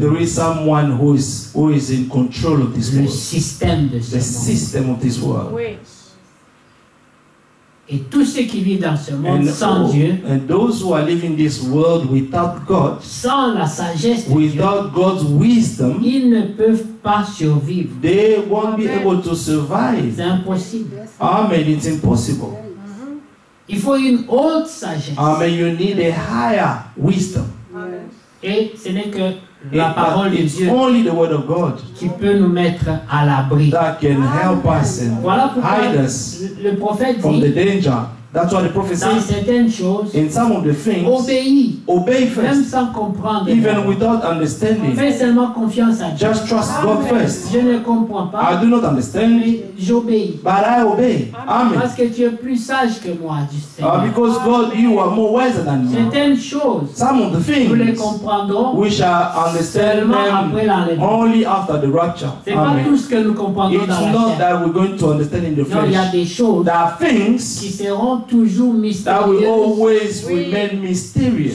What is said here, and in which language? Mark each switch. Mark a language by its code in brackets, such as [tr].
[en] There is someone who is in control of this [fr] le [en] world. [fr] Le système de ce [en] the [fr] monde. [en] The system of this world. [fr] Oui. Et tous ceux qui vivent dans ce monde sans Dieu, [en] and those who are living this world without God, [fr] sans la sagesse de [en] without [fr] Dieu, [en] God's wisdom, [fr] ils ne peuvent pas survivre. [en] They won't Amen. Be able to survive. [fr] C'est impossible. [en] Amen, it's impossible. Il faut une haute sagesse. Amen, you need a higher wisdom. Amen. [fr] Et ce n'est que la [en] it, [fr] parole de Dieu [en] only the word of God [fr] qui peut nous mettre à l'abri. [en] That can help us and [fr] voilà [en] hide us [fr] le prophète [en] from [fr] dit, [en] the danger. That's what the prophet [fr] dans [en] says. [fr] Certaines choses, [en] in some of the things, obey first, [fr] même sans comprendre, [en] even without understanding. [fr] Fais seulement confiance à Dieu. [en] Just trust Amen. God first. [fr] Je ne comprends pas. [en] I do not understand. [fr] J'obéis. [en] But I obey. Amen. [fr] Parce que tu es plus sage que moi, tu sais. [en] Because Amen. God, you are more wiser than me. [fr] Certaines choses, [en] some of the things, [fr] nous les comprendons, [en] we shall understand them only after the rapture. [fr] C'est Amen. Pas tout ce que nous comprenons [en] it's [fr] dans la chair. [en] It's not that we're going to understand in the flesh. [fr] Non, il y a des choses, [en] there are things [fr] qui seront toujours mystérieux. [en] That will always oui. remain mysterious.